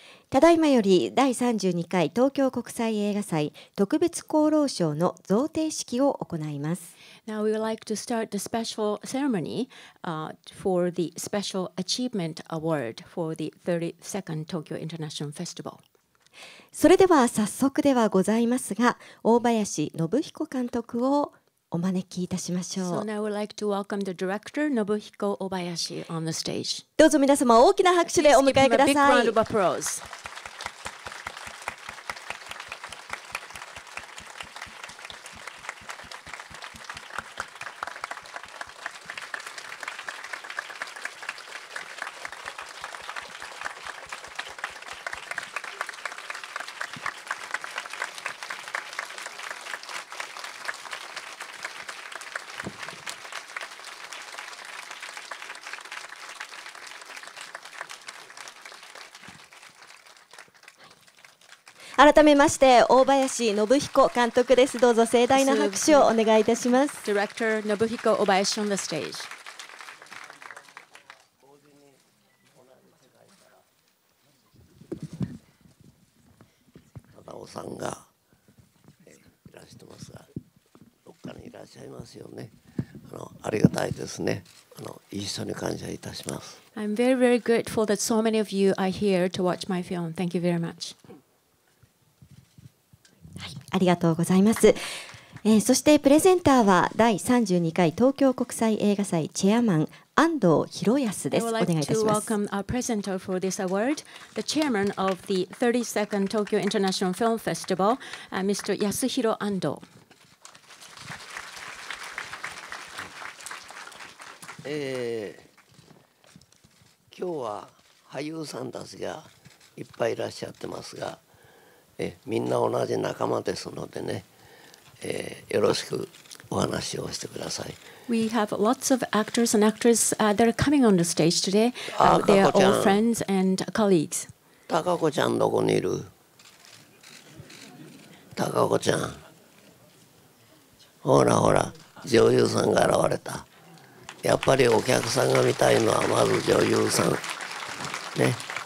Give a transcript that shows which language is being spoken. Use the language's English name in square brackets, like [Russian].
[Japanese] ただいまより第32回東京国際映画祭特別功労賞の贈呈式を行います。 [English] Now we would like to start the special ceremony、for the Special Achievement Award for the 32nd Tokyo International Festival。 [Japanese] それでは早速ではございますが、大林信彦監督をお招きいたしましょう。 [English] So now we would like to welcome the director Nobuhiko Obayashi on the stage. [Japanese] どうぞ皆様大きな拍手でお迎えください。 [English] Please give him a big round of applause. [Japanese] 改めまして、大林信彦監督です。どうぞ盛大な拍手をお願いいたします。 [English] Director Nobuhiko Obayashi on the stage. [Japanese] Tadao さんがいらしてますが、どっかにいらっしゃいますよね。ありがたいですね。一緒に感謝いたします。 [English] I'm very, very grateful that so many of you are here to watch my film. Thank you very much. [Japanese] はい、ありがとうございます。そしてプレゼンターは第32回東京国際映画祭チェアマン安藤博康です。お願いいたします。 [English] I would like to welcome our presenter for this award, the chairman of the 32nd Tokyo International Film Festival, Mr. Yasuhiro Ando. [Japanese] 今日は俳優さんたちがいっぱいいらっしゃってますが、みんな同じ仲間ですのでね、よろしくお話をしてください。 [English] We have lots of actors and actresses、that are coming on the stage today.、they are all friends and colleagues. [Japanese] 高子ちゃんどこにいる？高子ちゃん。ほらほら、女優さんが現れた。やっぱりお客さんが見たいのはまず女優さん。ね。